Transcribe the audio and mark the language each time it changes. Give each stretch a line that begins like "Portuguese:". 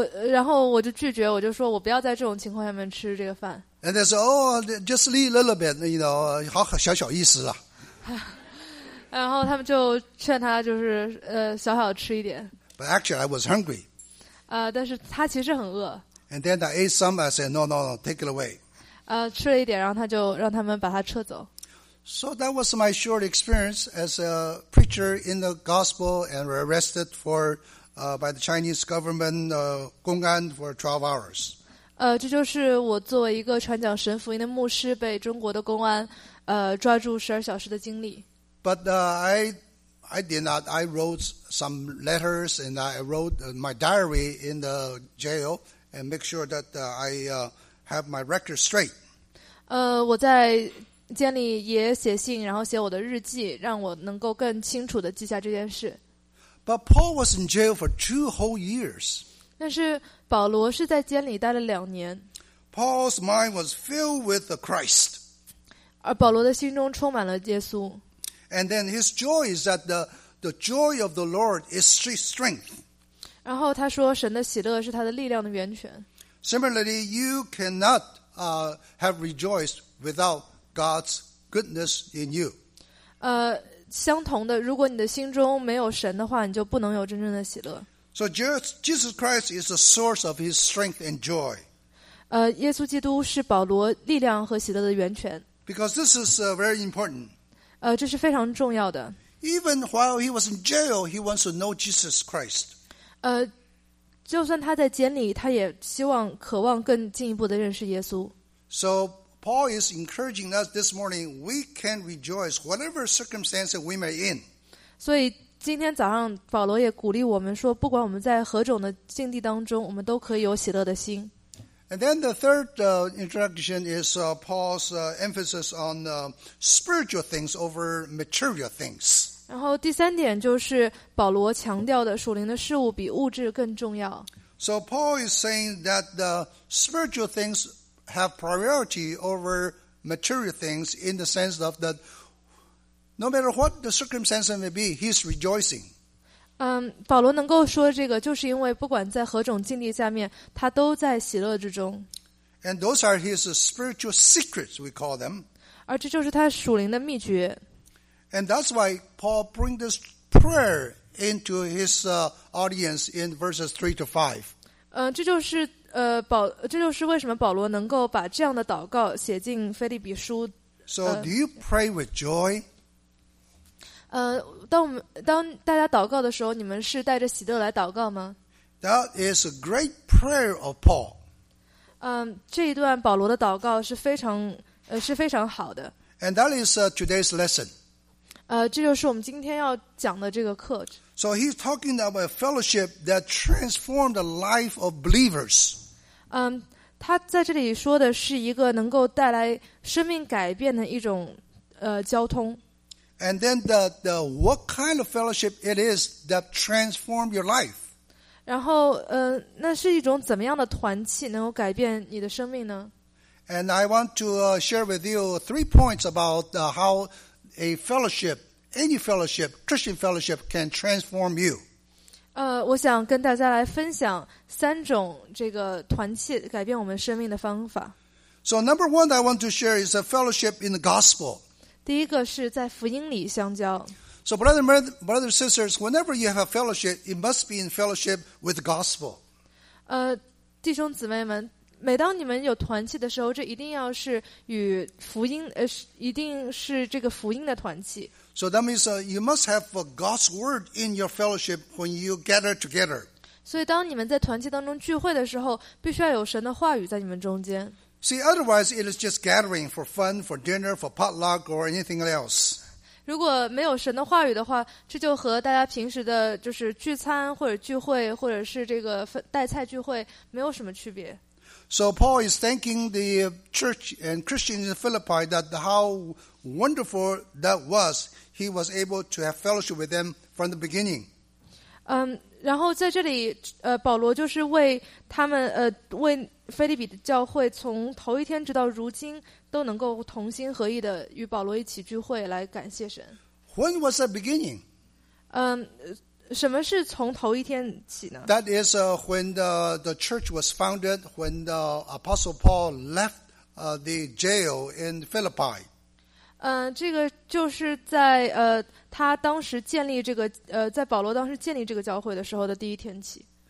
Chinese: 然后我就拒绝，我就说我不要在这种情况下面吃这个饭。
English: And they say, "Oh, just eat a little bit, you know,
Chinese: 好小小意思啊。然后他们就劝他就是小小吃一点。
English: But actually, I was hungry.
Chinese: 但是他其实很饿。
English: And then I ate some. I said, "No, no, no, take it away."
Chinese: 吃了一点，然后他就让他们把他撤走。
English: So that was my short experience as a preacher in the gospel, and were arrested for by the Chinese government 公安 for 12 hours.
Chinese: 这就是我作为一个传讲神福音的牧师被中国的公安抓住12小时的经历。
English: But I I did not. I wrote some letters and I wrote my diary in the jail and make sure that I have my record straight.
Chinese: 我在监里也写信，然后写我的日记，让我能够更清楚地记下这件事。
English: But Paul was in jail for 2 whole years.
Chinese: 但是保罗是在监里待了两年。
English: Paul's mind was filled with the Christ.
Chinese: 而保罗的心中充满了耶稣。
English: And then his joy is that the joy of the Lord is his strength.
Chinese: 然后他说神的喜乐是他的力量的源泉。
English: Similarly, you cannot have rejoiced without God's goodness in you.
Chinese: 相同的，如果你的心中没有神的话，你就不能有真正的喜乐。
English: So Jesus Christ is the source of his strength and joy.
Chinese: 耶稣基督是保罗力量和喜乐的源泉。
English: Because this is very important.
Chinese: 这是非常重要的。
English: Even while he was in jail, he wants to know Jesus Christ.
Chinese: 就算他在监里，他也希望、渴望更进一步的认识耶稣。
English: So Paul is encouraging us this morning. We can rejoice whatever circumstances we may in.
Chinese: 所以今天早上保罗也鼓励我们说，不管我们在何种的境地当中，我们都可以有喜乐的心。
English: And then the third introduction is Paul's emphasis on spiritual things over material things.
Chinese: 然后第三点就是保罗强调的属灵的事物比物质更重要。
English: So Paul is saying that the spiritual things have priority over material things in the sense of that no matter what the circumstances may be, he's rejoicing.
Chinese: 保罗能够说这个，就是因为不管在何种境地下面，他都在喜乐之中。
English: And those are his spiritual secrets, we call them.
Chinese: 而这就是他属灵的秘诀。
English: And that's why Paul brings this prayer into his audience in verses 3-5.
Chinese: 这就是为什么保罗能够把这样的祷告写进腓立比书。
English: So do you pray with joy?
Chinese: 当大家祷告的时候，你们是带着喜乐来祷告吗？
English: That is a great prayer of Paul.
Chinese: 这一段保罗的祷告是非常好的。
English: And that is today's lesson.
Chinese: 这就是我们今天要讲的这个课。
English: So he's talking about a fellowship that transformed the life of believers.
Chinese: 他在这里说的是一个能够带来生命改变的一种交通。
English: And then the what kind of fellowship it is that transformed your life.
Chinese: 然后那是一种怎么样的团契能够改变你的生命呢？
English: And I want to share with you 3 points about how a fellowship, any fellowship, Christian fellowship can transform you.
Chinese: 我想跟大家来分享三种这个团契改变我们生命的方法。
English: So number one that I want to share is a fellowship in the gospel.
Chinese: 第一个是在福音里相交。
English: So brother and sisters, whenever you have a fellowship, it must be in fellowship with the gospel.
Chinese: 弟兄姊妹们，每当你们有团契的时候，这一定要是与福音一定是这个福音的团契。
English: So that means you must have God's word in your fellowship when you gather together.
Chinese: 所以当你们在团契当中聚会的时候，必须要有神的话语在你们中间。
English: See, otherwise it is just gathering for fun, for dinner, for potluck, or anything else.
Chinese: 如果没有神的话语的话，这就和大家平时的就是聚餐或者聚会或者是这个带菜聚会没有什么区别。
English: So Paul is thanking the church and Christians in Philippi that how wonderful that was. He was able to have fellowship with them from the beginning.
Chinese: 然后在这里，保罗就是为他们，为腓立比的教会从头一天直到如今都能够同心合意的与保罗一起聚会来感谢神。
English: When was the beginning?
Chinese: 什么是从头一天起呢？
English: That is when the church was founded, when the Apostle Paul left the jail in Philippi.
Chinese: 这个就是在他当时建立这个在保罗当时建立这个教会的时候的第一天起。